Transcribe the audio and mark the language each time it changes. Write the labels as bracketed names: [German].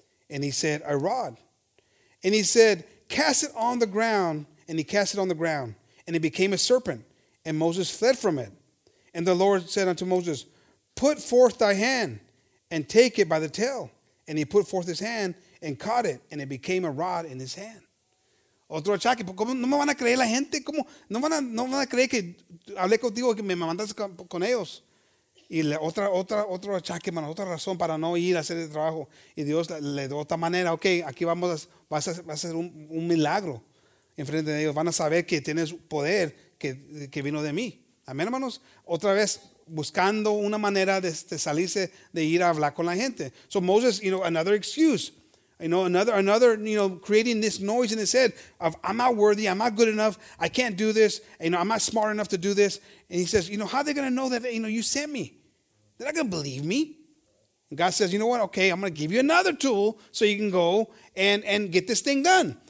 [English] And he said, a rod. And he said, cast it on the ground. And he cast it on the ground, and it became a serpent. And Moses fled from it. And the Lord said unto Moses, put forth thy hand, and take it by the tail. And he put forth his hand, and caught it, and it became a rod in his hand. [Spanish] Otro achaque, ¿cómo no me van a creer la gente? ¿Cómo no van a creer que hablé contigo y que me mandaste con ellos? Y otro achaque, mano, otra razón para no ir a hacer el trabajo. Y Dios le dio otra manera. Okay, aquí vas a hacer un milagro enfrente de ellos. Van a saber que tienes poder que vino de mí. Amén, hermanos. Otra vez buscando una manera de salirse de ir a hablar con la gente. [English] So Moses, you know, another excuse. You know, another, you know, creating this noise in his head of, I'm not worthy, I'm not good enough, I can't do this, you know, I'm not smart enough to do this. And he says, you know, how are they going to know that, you know, you sent me? They're not going to believe me. And God says, you know what, okay, I'm going to give you another tool so you can go and get this thing done.